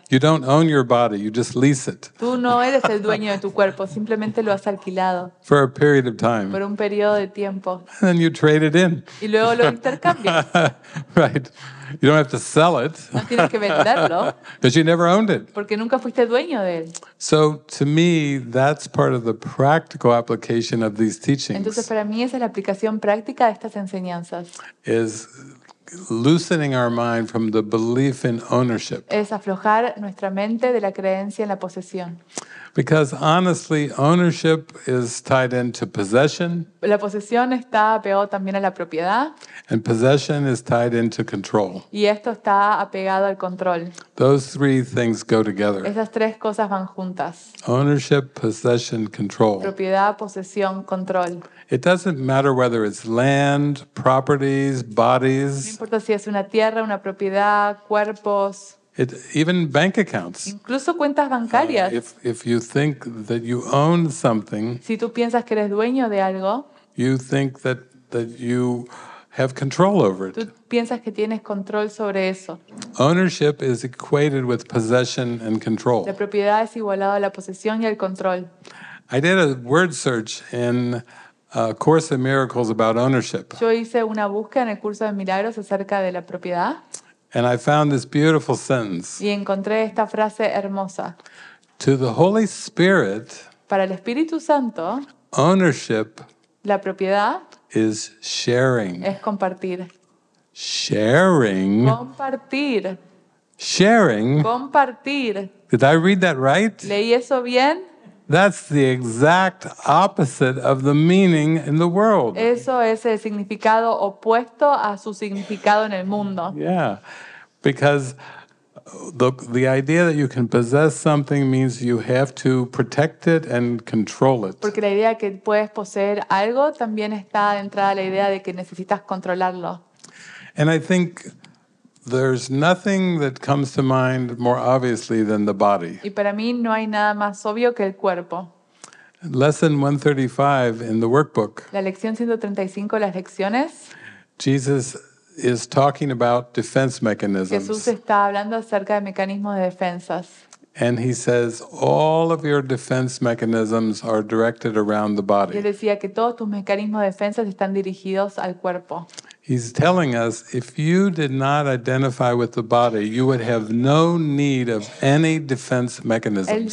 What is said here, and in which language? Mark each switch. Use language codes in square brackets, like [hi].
[en] You don't own your body, you just lease it. [es] Tú no eres el dueño de tu cuerpo, simplemente lo has alquilado. [en] For a period of time. [es] Por un periodo de tiempo. [en] And then you trade it in. [es] Y luego lo intercambias. [en] Right. You don't have to sell it. [es] No tienes que venderlo. [en] Because you never owned it. [es] Porque nunca fuiste dueño de él. [en] So to me, that's part of the practical application of these teachings. [es] Entonces para mí esa es la aplicación práctica de estas enseñanzas. [en] Is loosening our mind from the belief in ownership. [es] Es aflojar nuestra mente de la creencia en la posesión. [en] Because honestly, ownership is tied into possession. [es] La posesión está apegado también a la propiedad. [en] And possession is tied into control. [es] Y esto está apegado al control. [en] Those three things go together. [es] Esas tres cosas van juntas. [en] Ownership, possession, control. [es] Propiedad, posesión, control. [en] It doesn't matter whether it's land, properties, bodies. [es] No importa si es una tierra, una propiedad, cuerpos. [en] Even bank accounts. [es] Incluso cuentas bancarias. [en] If you think that you own something, [es] si tú piensas que eres dueño de algo, [en] you think that you have control over it. [es] Tú piensas que tienes control sobre eso. [en] Ownership is equated with possession and control. [es] La propiedad es igualada a la posesión y al control. [en] I did a word search in A Course in Miracles about ownership. [es] Yo hice una búsqueda en el curso de milagros acerca de la propiedad. [en] And I found this beautiful sentence. [es] Y encontré esta frase hermosa. [en] To the Holy Spirit. [es] Para el Espíritu Santo. [en] Ownership. [es] La propiedad. [en] Is sharing. [es] Es compartir. [en] Sharing. [es] Compartir. [en] Sharing. [es] Compartir. [en] Did I read that right? [es] Leí eso bien. [en] That's the exact opposite of the meaning in the world. [es] Eso es el significado opuesto a su significado en el mundo. [en] Yeah, because the idea that you can possess something means you have to protect it and control it. [es] Porque la idea que puedes poseer algo también está adentrada la idea de que necesitas controlarlo. [en] And I think there's nothing that comes to mind more obviously than the body. [es] Y para mí no hay nada más obvio que el cuerpo. [en] Lesson 135 in the workbook. [es] La lección 135, las lecciones. [en] Jesus is talking about defense mechanisms. [es] Jesús está hablando acerca de mecanismos de defensas. [en] And he says all of your defense mechanisms are directed around the body. [es] Y él decía que todos tus mecanismos de defensa están dirigidos al cuerpo. [en] He's telling us if you did not identify with the body, you would have no need of any defense mechanisms.